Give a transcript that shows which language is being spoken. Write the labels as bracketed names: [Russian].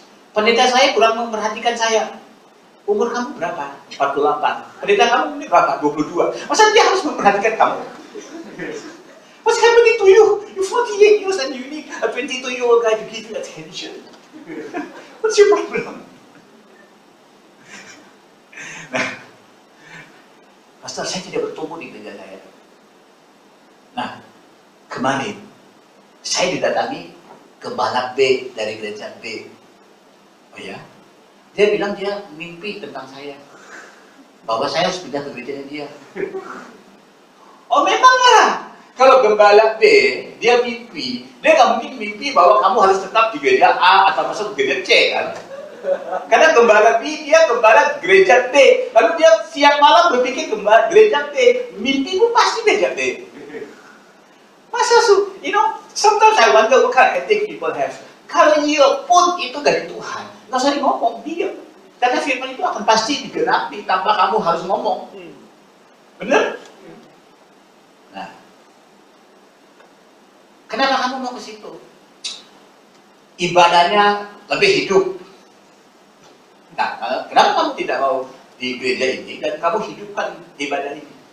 [Indonesian] Pendeta saya kurang memperhatikan saya. Umur kamu berapa? 48. Pendeta kamu berapa? 22. Masa dia harus memperhatikan kamu? [English] What's happening to you? You 48 years and you need a 22-year-old guy to give you attention. What's your problem? [Indonesian] Nah, Pastor, saya tidak bertumbuh di gereja saya. Nah, kemarin saya didatangi gembala B dari gereja B. Oh ya? Dia bilang dia mimpi tentang saya. Bahwa saya harus pindah ke gerejanya dia. Oh memang lah. Kalau gembala B, dia mimpi. Dia gak mungkin mimpi bahwa kamu harus tetap di gereja A atau masuk ke gereja C kan? Karena gembala B, dia gembala gereja T. Lalu dia siang malam berpikir gembala gereja T. Mimpi pun pasti gereja T. Masa su, [English] you know, sometimes I wonder what kind of ethic people have. [Indonesian] Kalau dia pun itu dari Tuhan, gak usah ngomong, dia. Karena firman itu akan pasti digenapi tanpa kamu harus ngomong. Bener? Nah, kenapa kamu mau ke situ? Ibadahnya lebih hidup. Nah, kenapa kamu tidak mau di gereja ini dan kamu hidupkan ibadah ini?